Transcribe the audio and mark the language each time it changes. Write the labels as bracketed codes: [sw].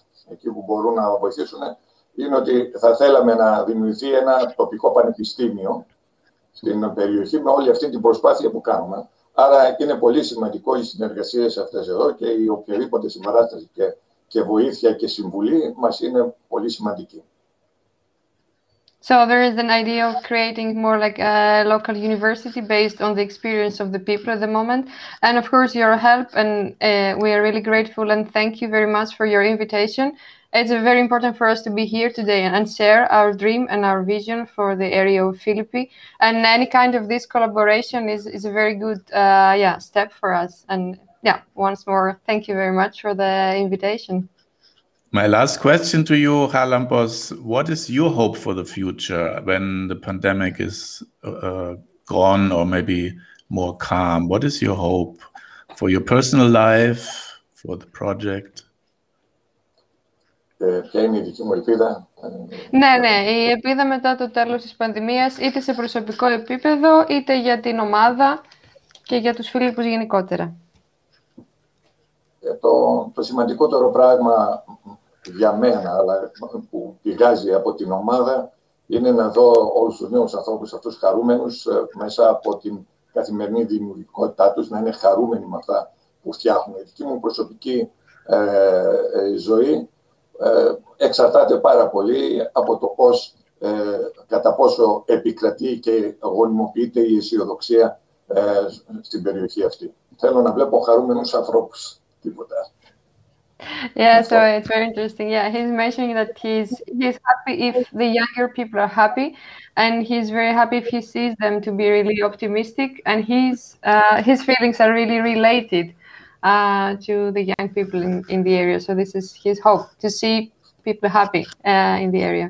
[el] Εκεί που μπορούν να βοηθήσουν, είναι ότι θα θέλαμε να δημιουργηθεί ένα τοπικό πανεπιστήμιο στην περιοχή με όλη αυτή την προσπάθεια που κάνουμε. Άρα είναι πολύ σημαντικό οι συνεργασίες αυτές εδώ και η οποιαδήποτε συμπαράσταση και βοήθεια και συμβουλή μας είναι πολύ σημαντική. [en] So there is an idea of creating more like a local university based on the experience of the people at the moment. And of course, your help, and we are really grateful and thank you very much for your invitation. It's very important for us to be here today and share our dream and our vision for the area of Philippi. And any kind of this collaboration is a very good step for us. And yeah, once more, thank you very much for the invitation. My last question to you, Charalampos, what is your hope for the future when the pandemic is gone or maybe more calm? What is your hope for your personal life, for the project? [el] Ναι, ναι, η ελπίδα μετά το τέλος της πανδημίας, είτε σε προσωπικό επίπεδο, είτε για την ομάδα και για τους Φίλιππους γενικότερα. Το σημαντικότερο πράγμα για μένα, αλλά που πηγάζει από την ομάδα, είναι να δω όλους τους νέους ανθρώπους αυτούς χαρούμενους μέσα από την καθημερινή δημιουργικότητά τους, να είναι χαρούμενοι με αυτά που φτιάχνουν. Η δική μου προσωπική ζωή εξαρτάται πάρα πολύ από το πώς, κατά πόσο επικρατεί και γονιμοποιείται η αισιοδοξία στην περιοχή αυτή. Θέλω να βλέπω χαρούμενους ανθρώπους, τίποτα. [en] Yeah, so it's very interesting. Yeah, he's mentioning that he's happy if the younger people are happy, and he's very happy if he sees them to be really optimistic, and his feelings are really related to the young people in the area. So this is his hope, to see people happy in the area.